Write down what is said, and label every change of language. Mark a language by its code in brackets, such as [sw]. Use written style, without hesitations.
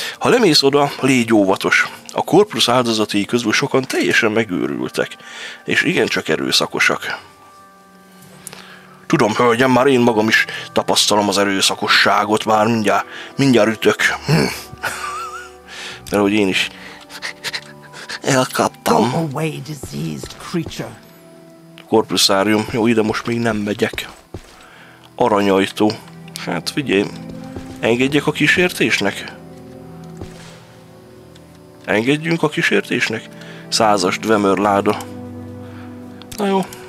[hu] Ha lemész oda, légy óvatos. A korpusz áldozatai közül sokan teljesen megőrültek, és igencsak erőszakosak. Tudom, hölgyem, már én magam is tapasztalom az erőszakosságot, már mindjárt ütök. Mert hogy én is elkaptam. [en] Go away, diseased creature. [hu] Korpuszárium. Jó, ide most még nem megyek. Aranyajtó. Hát figyelj, engedjek a kísértésnek? Engedjünk a kísértésnek? Százas Dwemer láda. Na jó.